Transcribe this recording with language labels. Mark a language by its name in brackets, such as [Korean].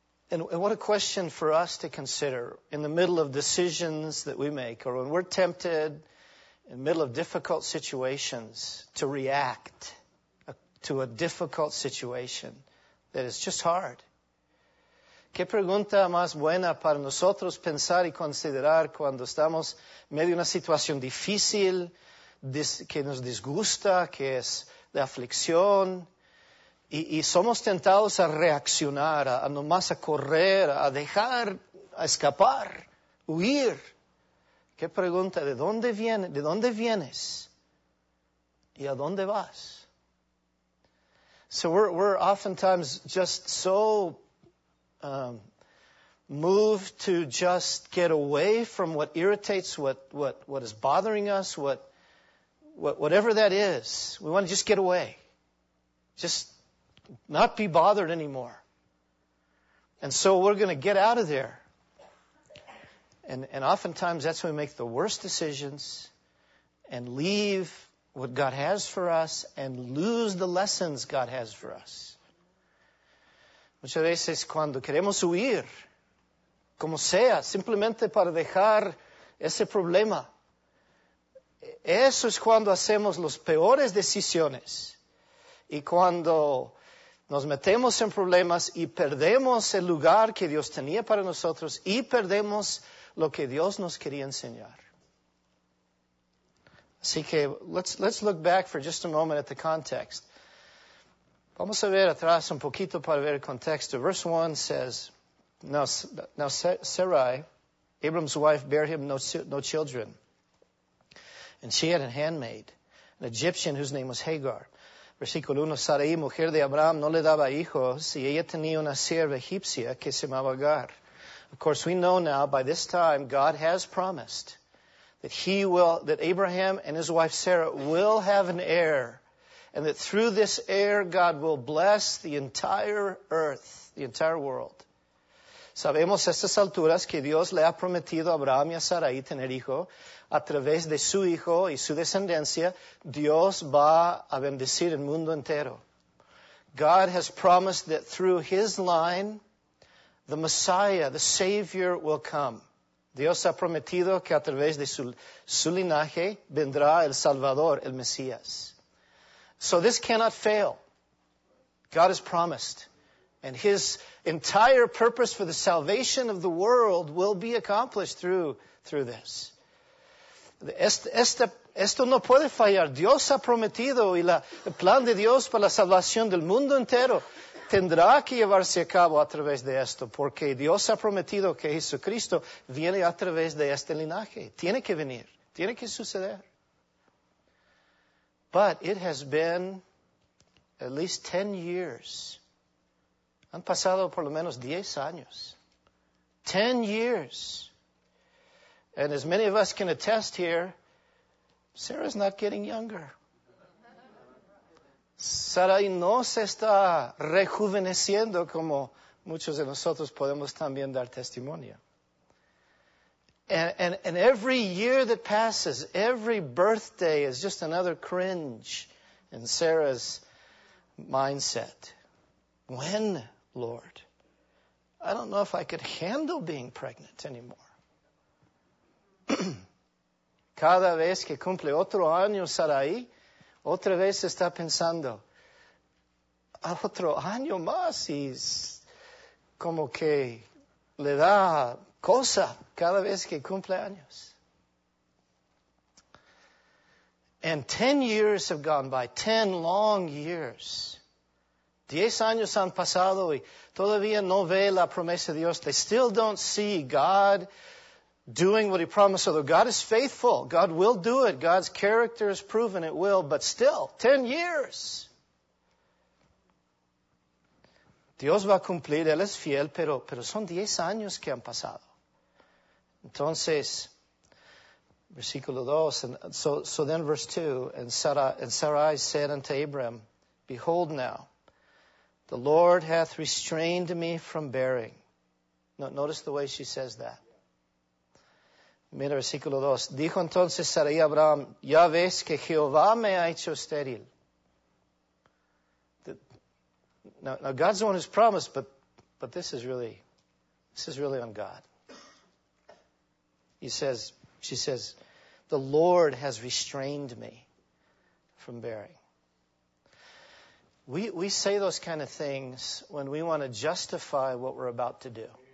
[English] And what a question for us to consider in the middle of decisions that we make, or when we're tempted in the middle of difficult situations to react to a difficult situation that is just hard. [Spanish] ¿Qué pregunta más buena para nosotros pensar y considerar cuando estamos medio de una situación difícil, que nos disgusta, que es de aflicción, y somos tentados a reaccionar, a nomás a correr, a dejar, a escapar, huir? ¿Qué pregunta? ¿De dónde vienes? ¿Y a dónde vas? [English] So we're oftentimes just so moved to just get away from what irritates, what is bothering us, whatever that is. We want to just get away. Just not be bothered anymore. And so we're going to get out of there. And oftentimes that's when we make the worst decisions and leave what God has for us, and lose the lessons God has for us. [Spanish] Muchas veces cuando queremos huir, como sea, simplemente para dejar ese problema, eso es cuando hacemos las peores decisiones. Y cuando nos metemos en problemas y perdemos el lugar que Dios tenía para nosotros y perdemos lo que Dios nos quería enseñar. Así que, [English] let's look back for just a moment at the context. [Spanish] Vamos a ver atrás un poquito para ver el contexto. [English] Verse 1 says, Now Sarai, Abram's wife, bare him no children. And she had a handmaid, an Egyptian whose name was Hagar. [Spanish] Versículo 1, Sarai, mujer de Abraham, no le daba hijos, y ella tenía una sierva egipcia que se llamaba Agar. [English] Of course, we know now, by this time, God has promised that he will, that Abraham and his wife Sarah will have an heir, and that through this heir, God will bless the entire earth, the entire world. [Spanish] Sabemos a estas alturas que Dios le ha prometido a Abraham y a Sarai tener hijo. A través de su hijo y su descendencia, Dios va a bendecir el mundo entero. [English] God has promised that through his line, the Messiah, the Savior, will come. [Spanish] Dios ha prometido que a través de su linaje vendrá el Salvador, el Mesías. [English] So this cannot fail. God has promised. And his entire purpose for the salvation of the world will be accomplished through this. [Spanish] Esto no puede fallar. Dios ha prometido y el plan de Dios para la salvación del mundo entero tendrá que llevarse a cabo a través de esto, porque Dios ha prometido que Jesucristo viene a través de este linaje. Tiene que venir. Tiene que suceder. [English] But it has been at least 10 years. [Spanish] Han pasado por lo menos 10 años. [English] 10 years. And as many of us can attest here, Sarah's not getting younger. [Spanish] Sarai no se está rejuveneciendo como muchos de nosotros podemos también dar testimonio. [English] And every year that passes, every birthday is just another cringe in Sarah's mindset. When, Lord? I don't know if I could handle being pregnant anymore. [Spanish] Cada vez que cumple otro año Sarai, otra vez está pensando, otro año más, y como que le da cosa cada vez que cumple años. [English] And 10 years have gone by, 10 long years. [Spanish] 10 años han pasado y todavía no ve la promesa de Dios. [English] They still don't see God doing what he promised. Although God is faithful, God will do it. God's character is proven it will, but still, 10 years. [Spanish] Dios va a cumplir, él es fiel, pero son 10 años que han pasado. Entonces, versículo 2, [English] so then verse 2, and Sarai said unto Abram, Behold now, the Lord hath restrained me from bearing. Notice the way she says that. [Spanish] Mira, versículo 2, dijo entonces Sarai a Abraham, Ya ves que Jehová me ha hecho estéril. [English] Now God's the one who's promised, but this is really on God. She says, the Lord has restrained me from bearing. We say those kind of things when we want to justify what we're about to do.